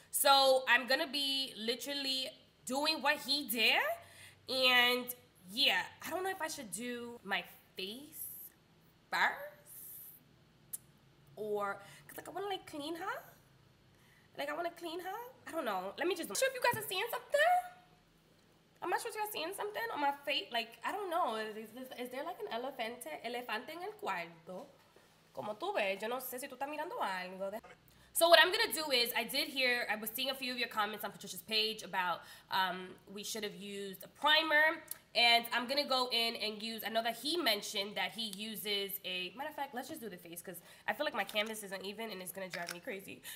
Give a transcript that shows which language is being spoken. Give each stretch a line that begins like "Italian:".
English: So I'm going to be literally doing what he did, and yeah, I don't know if I should do my face first, or, because, like, I want to, like, clean her. Like, I want to clean her. I don't know. Let me just, I'm not sure if you guys are seeing something. I'm not sure if you're seeing something on my face. Like, I don't know. Is there, like, an
Spanish: elefante en el cuarto? Como tú ves, yo no sé si tú estás mirando algo.
English: So what I'm going to do is, I was seeing a few of your comments on Patricia's page about we should have used a primer. And I'm going to go in and use, I know that he mentioned that he uses a, matter of fact, let's just do the face, because I feel like my canvas isn't even and it's going to drive me crazy.